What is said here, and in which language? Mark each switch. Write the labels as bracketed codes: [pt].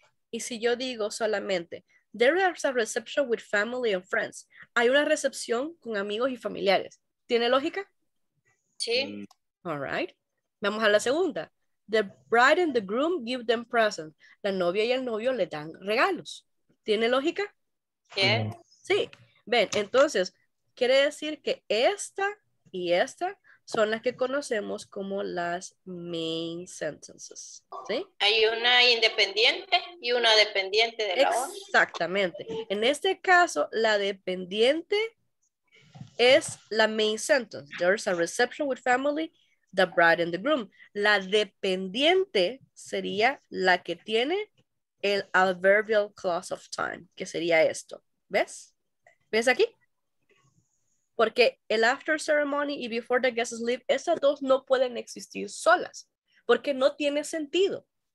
[es] Y si yo digo solamente, [en] there is a reception with family and friends. [es] Hay una recepción con amigos y familiares. ¿Tiene lógica? Sí. [en] All right. [es] Vamos a la segunda. [en] The bride and the groom give them presents. [es] La novia y el novio le dan regalos. ¿Tiene lógica? Sí. Sí. Ven, entonces, quiere decir que esta y esta son las que conocemos como las main sentences. ¿Sí? Hay una independiente y una dependiente de la otra. Exactamente. En este caso, la dependiente es la main sentence. [en] There's a reception with family, the bride and the groom. [es] La dependiente sería la que tiene el adverbial clause of time, que sería esto. ¿Ves? ¿Ves aquí? Porque el after ceremony y [en] before the guests leave, [es] esas dos no pueden existir solas, porque no tiene sentido.